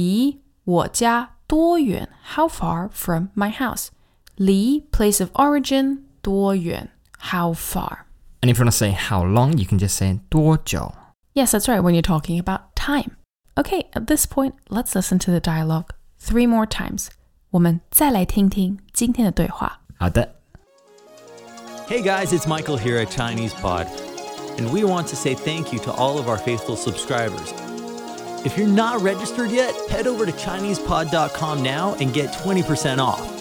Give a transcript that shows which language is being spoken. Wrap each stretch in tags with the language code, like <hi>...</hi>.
<zh>离我家多远?</zh> <en>How far from my house? 离, place of origin, 多远?How far? And if you want to say how long, you can just say 多久. Yes, that's right, when you're talking about time. Okay, at this point, let's listen to the dialogue three more times.</en> <zh>我们再来听听今天的对话. 好的.</zh> <en>Hey guys, it's Michael here at Chinese Pod. And we want to say thank you to all of our faithful subscribers. If you're not registered yet, head over to ChinesePod.com now and get 20% off.</en>